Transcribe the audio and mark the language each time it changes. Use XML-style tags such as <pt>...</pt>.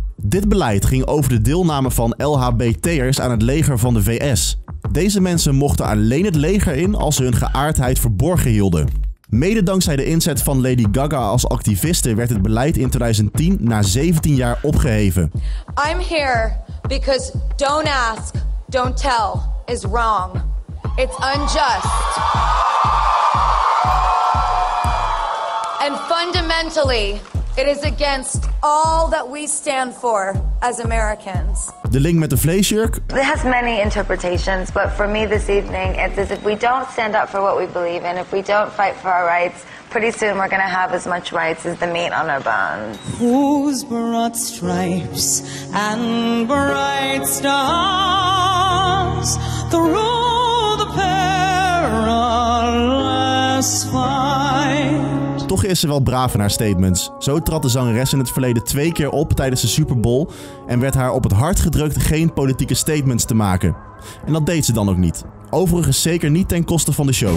<nl>Dit beleid ging over de deelname van LHBT'ers aan het leger van de VS. Deze mensen mochten alleen het leger in als ze hun geaardheid verborgen hielden. Mede dankzij de inzet van Lady Gaga als activiste werd het beleid in 2010 na 17 jaar opgeheven.</nl> <en>I'm here because don't ask, don't tell is wrong. It's unjust. And fundamentally, it is against all that we stand for as Americans.</en> <nl>De link met de vleesjurk.</nl> <en>It has many interpretations, but for me this evening, it's as if we don't stand up for what we believe in, if we don't fight for our rights, pretty soon we're gonna have as much rights as the meat on our bones. Whose broad stripes and bright stars through the perilous fight.</en> <nl>Toch is ze wel braaf in haar statements. Zo trad de zangeres in het verleden 2 keer op tijdens de Super Bowl en werd haar op het hart gedrukt geen politieke statements te maken. En dat deed ze dan ook niet. Overigens zeker niet ten koste van de show.</nl>